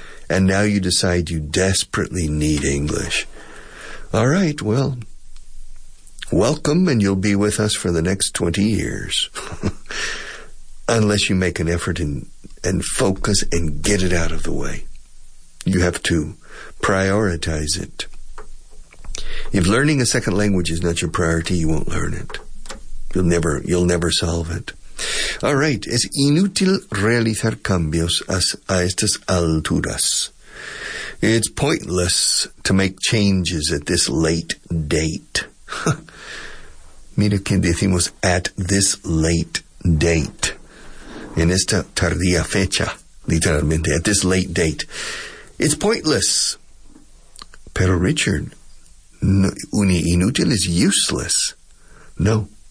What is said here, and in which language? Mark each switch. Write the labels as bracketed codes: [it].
[en] And now you decide you desperately need English. All right, well, welcome, and you'll be with us for the next 20 years. Unless you make an effort and focus and get it out of the way. You have to prioritize it. If learning a second language is not your priority, you won't learn it. You'll never solve it. All right, [es] es inútil realizar cambios a estas alturas. [en] It's pointless to make changes at this late date. [es] Mira que decimos [en] at this late date. [es] En esta tardía fecha, literalmente, [en] at this late date. It's pointless. Pero Richard, inútil is useless. No.